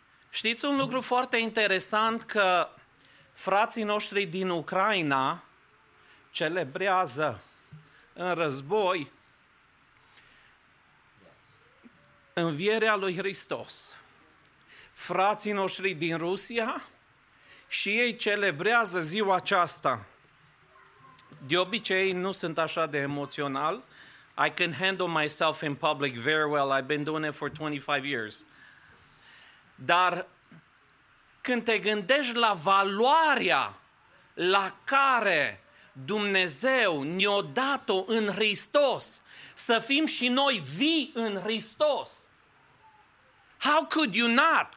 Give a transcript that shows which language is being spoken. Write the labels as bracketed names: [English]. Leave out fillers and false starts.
[Romanian] Știți un lucru foarte interesant? Că frații noștri din Ucraina celebrează în război învierea lui Hristos. Frații noștri din Rusia și ei celebrează ziua aceasta. De obicei, nu sunt așa de emoțional. [English] I can handle myself in public very well. I've been doing it for 25 years. [Romanian] Dar când te gândești la valoarea la care Dumnezeu ne-a dat-o în Hristos, să fim și noi vii în Hristos, [English] how could you not?